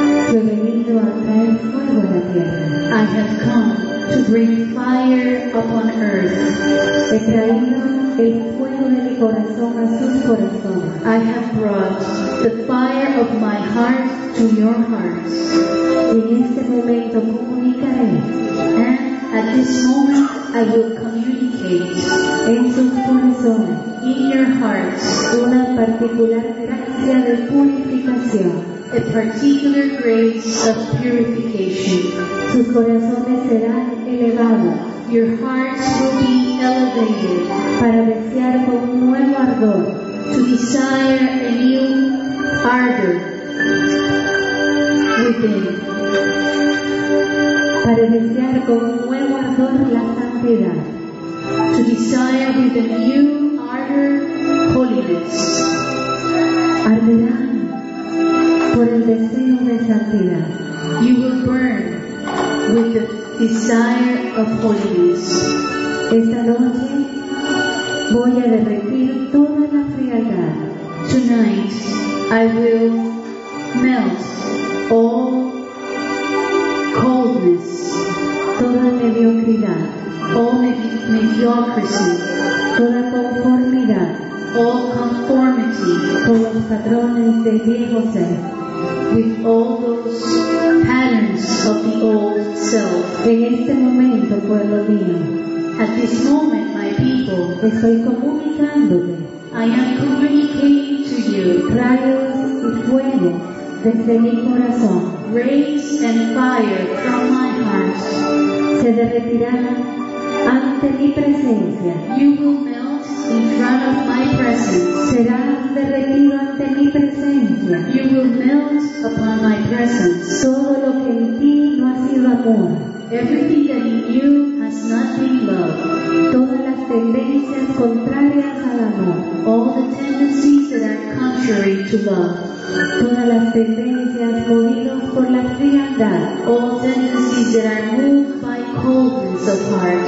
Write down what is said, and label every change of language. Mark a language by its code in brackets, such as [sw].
[es] He venido a traer fuego a la tierra. [en] I have come to bring fire upon earth. [es] He traído el fuego de mi corazón a sus corazones. [en] I have brought the fire of my heart to your hearts. [es] En este momento comunicaré. [en] And at this moment I will communicate. [es] En sus corazones. [en] In your hearts. [es] Una particular gracia de purificación. [en] A particular grace of purification. [es] Sus corazones serán elevados. [en] Your hearts will be elevated. [es] Para desear con un nuevo ardor. [en] To desire a new ardor within. [es] Para desear con un nuevo ardor la santidad. [en] To desire with a new ardor holiness. [es] Arderá. Por el deseo de santidad. [en] You will burn with the desire of holiness. [es] Esta noche voy a derretir toda la frialdad. [en] Tonight I will melt all coldness. [es] Toda mediocridad. [en] All mediocrity. [es] Toda conformidad. [en] All conformity. [es] Con los patrones del viejo ser. [en] With all those patterns of the old self. [es] En este momento, pueblo mío. [en] At this moment, my people. [es] Estoy comunicándome. [en] I am communicating to you. [es] Rayos y fuego desde mi corazón. [en] Rays and fire from my heart. [es] Se derretirán ante mi presencia. [en] You will melt in front of my presence. [es] Será derretido ante mi presencia. [en] You will melt upon my presence. [es] Todo lo que en ti no ha sido amor. [en] Everything that in you has not been love. [es] Todas las tendencias contrarias al amor, [en] all the tendencies that are contrary to love, [es] todas las tendencias movidas por la frialdad, [en] all tendencies that are moved by coldness of heart,